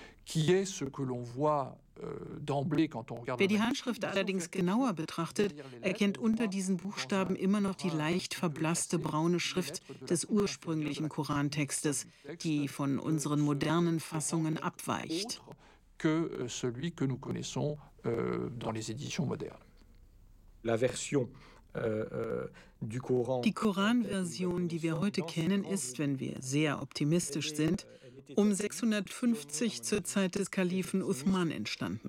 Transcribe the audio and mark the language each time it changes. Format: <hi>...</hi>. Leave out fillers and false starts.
<de>Wer die Handschrift allerdings genauer betrachtet, erkennt unter diesen Buchstaben immer noch die leicht verblasste braune Schrift des ursprünglichen Korantextes, die von unseren modernen Fassungen abweicht.</de> <fr>Que celui que nous connaissons dans les éditions modernes. La version du Coran.</fr> <de>Die Koranversion, die wir heute kennen, ist, wenn wir sehr optimistisch sind, um 650 zur Zeit des Kalifen Uthman entstanden.</de>